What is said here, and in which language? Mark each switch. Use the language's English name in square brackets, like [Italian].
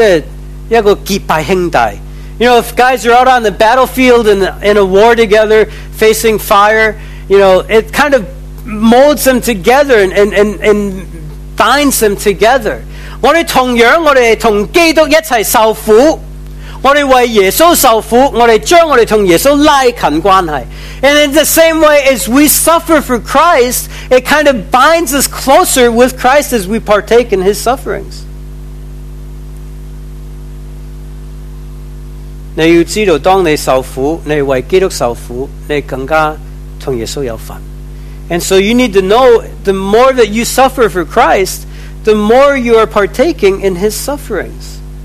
[Chinese] 有一些人在战场一起打仗，开枪，他经历过那个经历的时候，他好像成为一个结拜兄弟。 [English] You know, if guys are out on the battlefield in a war together, facing fire, you know, it kind of molds them together and binds them together. [Chinese] 我们同样，我们和基督一起受苦，我们为耶稣受苦，我们将我们和耶稣拉近关系。 [English] And in the same way as we suffer for Christ, it kind of binds us closer with Christ as we partake in His sufferings. [Chinese] 你要知道，当你受苦，你为基督受苦，你更加和耶稣有份。 [English] And so you need to know, the more that you suffer for Christ, the more you are partaking in His sufferings.